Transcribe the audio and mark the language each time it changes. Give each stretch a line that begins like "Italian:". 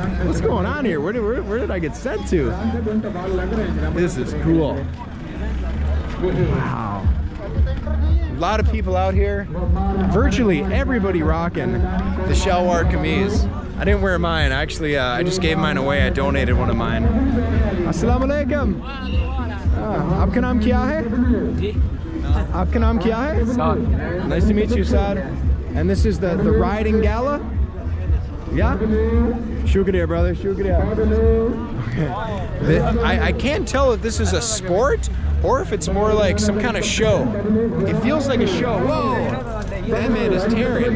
English: What's going on here? Where did I get sent to? This is cool. Wow. A lot of people out here. Virtually everybody rocking the shalwar kameez. I didn't wear mine. Actually, I just gave mine away. I donated one of mine. Assalamu alaikum.
Urdu: آپ کا نام کیا ہے؟ آپ کا نام کیا ہے؟
English: Saad. Nice to meet you, Saad. And this is the riding gala? Yeah? Shukriya, brother.
Urdu: Shukriya.
English: I can't tell if this is a sport or if it's more like some kind of show. It feels like a show. Whoa! That man is tearing.